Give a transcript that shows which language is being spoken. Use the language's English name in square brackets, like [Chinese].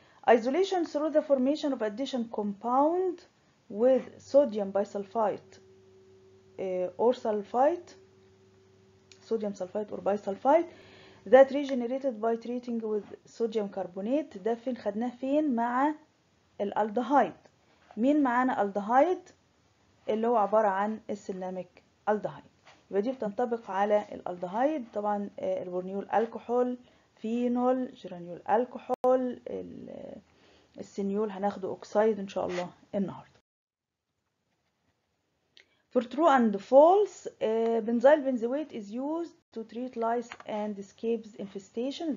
[English] Isolation through the formation of addition compound with sodium bisulfite or sulfite, sodium sulfite or bisulfite that regenerated by treating with sodium carbonate. [Arabic] ده فين خدناه؟ فين؟ مع الالدهايد. مين معانا الالدهايد؟ اللي هو عبارة عن السيناميك الدهايد. يبقى دي بتنطبق على الالدهايد. طبعا البورنيول الكحول، فينول، جرانيول الكحول، السنيول هناخده اوكسايد ان شاء الله النهاردة. [English] For true and false, benzyl benzoate is used to treat lice and scabies infestation.